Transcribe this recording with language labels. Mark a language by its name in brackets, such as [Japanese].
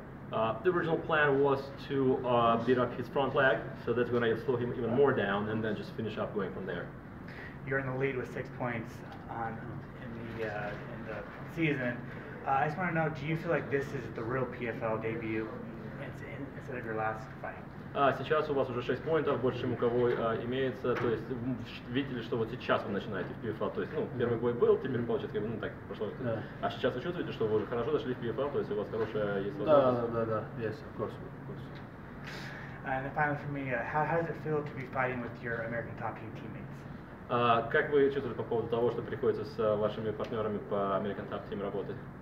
[English] The original plan was to beat up his front leg, so that's going to slow him even more down, and then just finish up going from there. You're in the lead with 6 points on in the season. I just want to know, do you feel like this is the real PFL debut instead of your last fight? [Russian] Сейчас у вас уже 6 поинтов, больше, чем у кого имеется. То есть вы видели, что вот сейчас вы начинаете в PFL. То есть, ну, первый бой был, теперь получается, как бы, ну так прошло. [English] Yeah. [Russian] А сейчас вы чувствуете, что вы уже хорошо дошли в PFL, то есть у вас хорошая есть возможность. Да, да, да, да. [English] Yes, of course, of course. And finally for me, how does it feel to be fighting with your American top team teammates? [Russian] Как вы чувствуете по поводу того, что приходится с вашими партнерами по American Top Team работать?